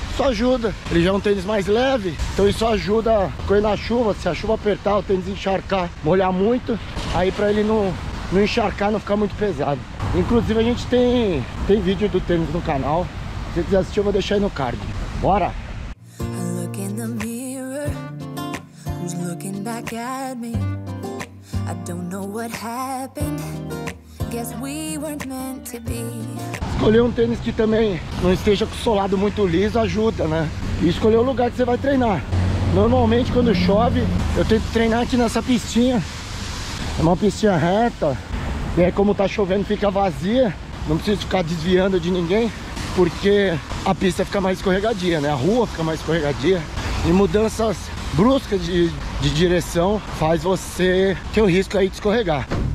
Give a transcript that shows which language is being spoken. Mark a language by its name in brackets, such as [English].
[Portuguese] Isso ajuda, ele já é um tênis mais leve, então isso ajuda a correr na chuva, se a chuva apertar, o tênis encharcar, molhar muito, aí para ele não encharcar, não ficar muito pesado. Inclusive, a gente tem vídeo do tênis no canal. Se você quiser assistir, eu vou deixar aí no card. Bora! [English] I look in the mirror, who's looking back at me? I don't know what happened, guess we weren't meant to be. [Portuguese] Escolher um tênis que também não esteja com o solado muito liso ajuda, né? E escolher o lugar que você vai treinar. Normalmente, quando chove, eu tento treinar aqui nessa pistinha. É uma pistinha reta, e aí como tá chovendo fica vazia, não precisa ficar desviando de ninguém, porque a pista fica mais escorregadia, né? A rua fica mais escorregadia, e mudanças bruscas de direção faz você ter o risco aí de escorregar.